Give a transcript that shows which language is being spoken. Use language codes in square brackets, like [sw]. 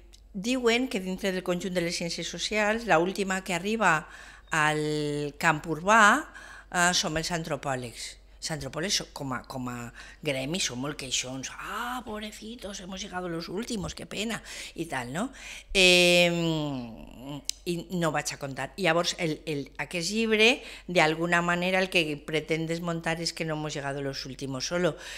[ca] Diuen que dintre del conjunt de les ciències socials, l'última que arriba al camp urbà som els antropòlegs. Els antropòlegs com a gremi són molt queixons. [es] Ah, pobrecitos, hemos llegado los últimos, qué pena, i tal, no? [ca] I no vaig a contar. Llavors, aquest llibre, d'alguna manera, el que pretén desmontar és que [es] no hemos llegado los últimos solo.